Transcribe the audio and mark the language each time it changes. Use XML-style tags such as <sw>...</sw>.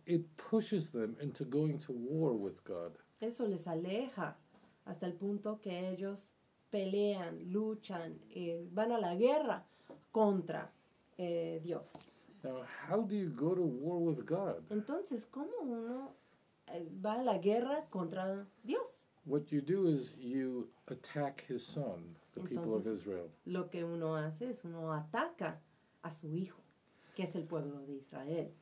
<en>It pushes them into going to war with God.</en> <es>Eso les aleja hasta el punto que ellos pelean, luchan, van a la guerra contra Dios.</es> <en>Now, how do you go to war with God?</en> <es>Entonces, ¿cómo uno va a la guerra contra Dios?</es> <en>What you do is you attack his son, the people of Israel.</en> <es>Lo que uno hace es uno ataca a su hijo, que es el pueblo de Israel.</es>